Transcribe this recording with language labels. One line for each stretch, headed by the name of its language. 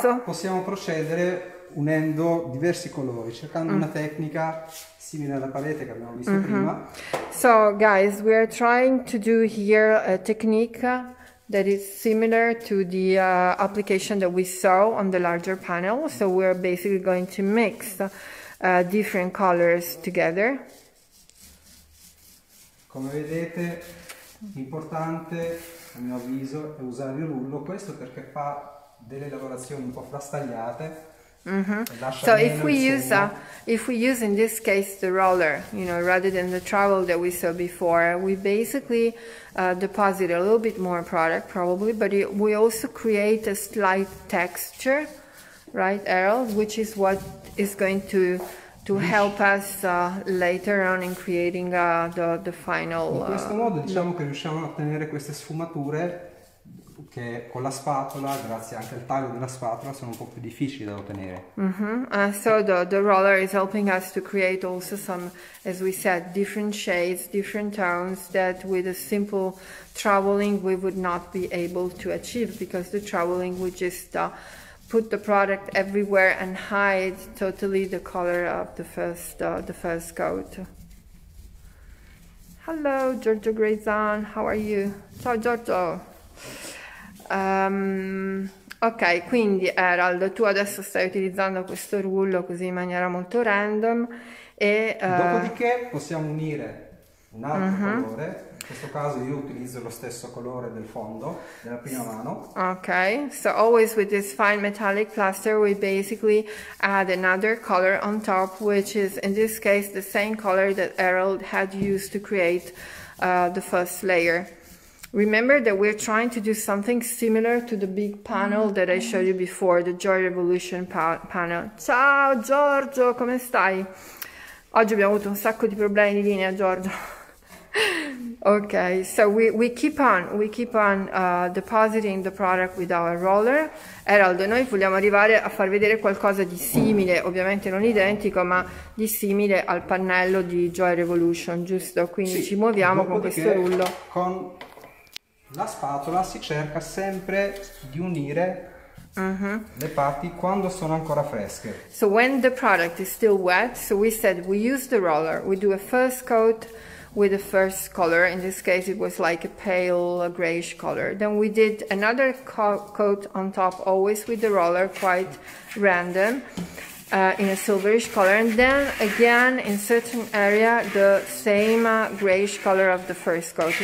Italian: Qua possiamo procedere unendo diversi colori, cercando una tecnica simile alla palette che abbiamo visto prima.
English: So guys, we are trying to do here a technique that is similar to the application that we saw on the larger panel. So we're basically going to mix different colors together.
Italian: Come vedete, importante a mio avviso è usare il rullo. Questo perché fa delle lavorazioni un po' frastagliate.
English: So if we use in this case the roller, you know, rather than the trowel that we saw before, we basically deposit a little bit more product probably, but we also create a slight texture, right, Errol, which is what is going to help us later on in creating the final.
Italian: In questo modo diciamo che riusciamo a ottenere queste sfumature che con la spatola, grazie anche al taglio della spatola, sono un po' più difficili da ottenere.
English: So the roller is helping us to create also some, as we said, different shades, different tones that with a simple troweling we would not be able to achieve, because the troweling would just put the product everywhere and hide totally the color of the first coat. Hello, Giorgio Grezan, how are you? Ciao Giorgio.
Italian: Ok, quindi Harold, tu adesso stai utilizzando questo rullo così in maniera molto random e dopodiché possiamo unire un altro colore. In questo caso io utilizzo lo stesso colore del fondo della prima mano.
English: Ok, so always with this fine metallic plaster we basically add another color on top, which is in this case the same color that Harold had used to create the first layer. Remember that we're trying to do something similar to the big panel that I showed you before, the Joy Revolution panel.
Italian: Ciao Giorgio, come stai? Oggi abbiamo avuto un sacco di problemi di linea, Giorgio.
English: Okay, so we keep on depositing the product with our roller.
Italian: Harold, noi vogliamo arrivare a far vedere qualcosa di simile, ovviamente non identico, ma di simile al pannello di Joy Revolution, giusto? Quindi sì, ci muoviamo con questo rullo. La spatola si cerca sempre di unire le parti quando sono ancora fresche.
English: So when the product is still wet, so we said we use the roller, we do a first coat with the first color, in this case it was like a pale grayish color. Then we did another coat on top, always with the roller, quite random, in a silverish color, and then again in certain area the same grayish color of the first coat.